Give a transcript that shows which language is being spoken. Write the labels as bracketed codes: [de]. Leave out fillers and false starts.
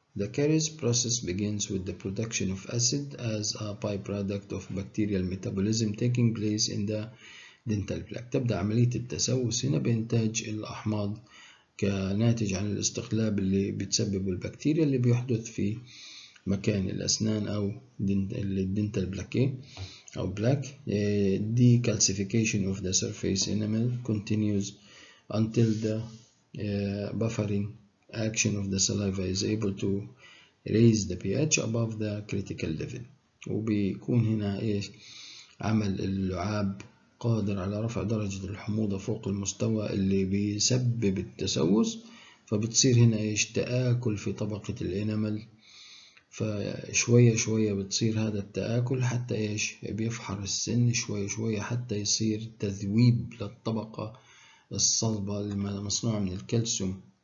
[en] The caries process begins with the production of acid as a byproduct of bacterial metabolism taking place in the dental plaque. [ar] تبدأ عملية التسوس هنا بإنتاج الأحماض كناتج عن الاستقلاب اللي بتسببه البكتيريا اللي بيحدث في مكان الأسنان أو الدنتال بلاكي أو بلاك. [en] Decalcification of the surface enamel continues until the buffering action of the saliva is able to raise the pH above the critical level. [ar] وبيكون هنا إيش عمل اللعاب قادر على رفع درجة الحموضة فوق المستوى اللي بيسبب التسوس، فبتصير هنا إيش تآكل في طبقة الإنامل فشوية شوية بتصير هذا التآكل، حتى إيش بيفحر السن شوية شوية حتى يصير تذويب للطبقة الصلبة المصنوعة من الكالسيوم